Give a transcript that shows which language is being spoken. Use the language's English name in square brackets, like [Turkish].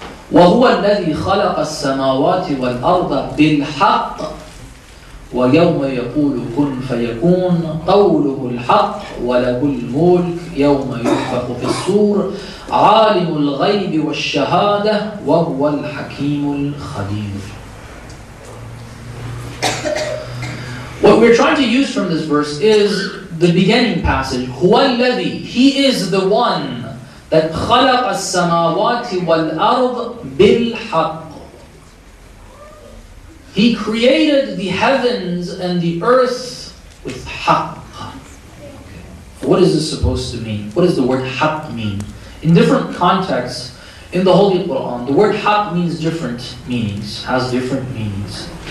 [Arabic] وهو الذي خلق السماوات والأرض بالحق ويوم يقول كن فيكون قوله الحق وله الملك يوم يفتح في الصور عالم الغيب والشهادة وهو الحكيم الخبير. [English] What we're trying to use from this verse is the beginning passage. [Arabic] هو الذي, [English] he is the one that [Arabic] خلق السماوات والأرض بالحق. [English] He created the heavens and the earth with حق. What is this supposed to mean? What does the word حق mean? In different contexts, in the Holy Quran, the word حق means different meanings, has different meanings.